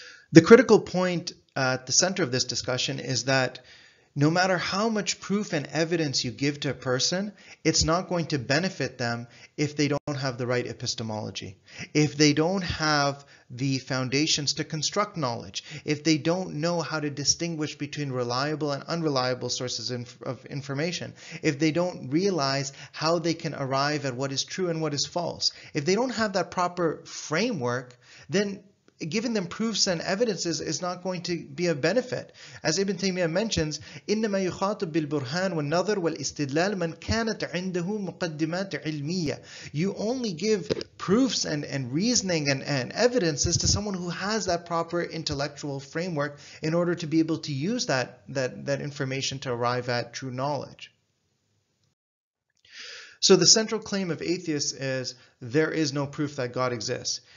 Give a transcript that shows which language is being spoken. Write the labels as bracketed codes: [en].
[en] The critical point at the center of this discussion is that no matter how much proof and evidence you give to a person, it's not going to benefit them if they don't have the right epistemology, if they don't have the foundations to construct knowledge, if they don't know how to distinguish between reliable and unreliable sources of information, if they don't realize how they can arrive at what is true and what is false. If they don't have that proper framework, then giving them proofs and evidences is not going to be of benefit. As Ibn Taymiyyah mentions, [ar] إِنَّمَا يُخَاطِبُ بِالْبُرْهَانِ وَالنَّظَرِ وَالْإِسْتِدْلَالِ مَنْ كَانَتْ عِنْدَهُ مُقَدِّمَاتِ عِلْمِيَّةِ. [en] You only give proofs and reasoning and evidences to someone who has that proper intellectual framework in order to be able to use that information to arrive at true knowledge. So the central claim of atheists is there is no proof that God exists.